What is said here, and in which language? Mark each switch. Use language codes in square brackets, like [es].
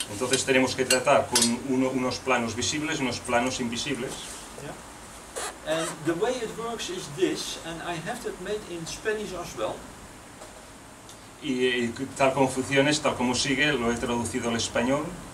[es] Entonces tenemos que tratar con unos planos visibles, unos planos invisibles. [en] Yeah. And the way it works is this, and I have that made in Spanish as well. [es] Y tal como funciona, tal como sigue, lo he traducido al español.